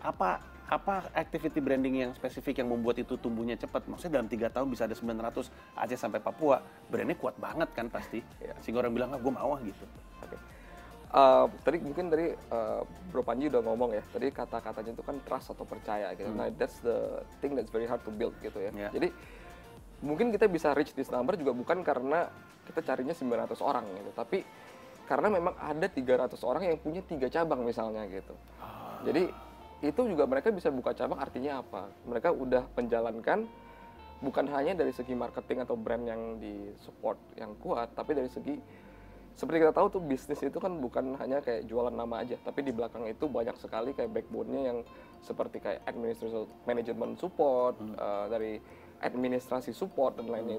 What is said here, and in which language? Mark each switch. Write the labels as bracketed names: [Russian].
[Indonesian] Apa activity branding yang spesifik yang membuat itu tumbuhnya cepat? Maksudnya dalam 3 tahun bisa ada 900 Aceh sampai Papua, brandnya kuat banget kan pasti. Yeah. Sehingga orang bilang, ah gue mau gitu. [English] Okay. [Indonesian] Tadi mungkin dari Bro Pandji udah ngomong ya, tadi kata-katanya itu kan trust atau percaya gitu. [English] Nah, that's the thing that's very hard to build gitu ya. Yeah. [Indonesian] Jadi mungkin kita bisa [English] reach this number [Indonesian] juga bukan karena kita carinya 900 orang gitu, tapi karena memang ada 300 orang yang punya 3 cabang misalnya gitu. Jadi itu juga mereka bisa buka cabang, artinya apa? Mereka udah menjalankan bukan hanya dari segi marketing atau brand yang di support yang kuat, tapi dari segi, seperti kita tahu tuh, bisnis itu kan bukan hanya kayak jualan nama aja, tapi di belakang itu banyak sekali kayak backbone-nya yang seperti kayak administration management support, dari administrasi support dan lainnya.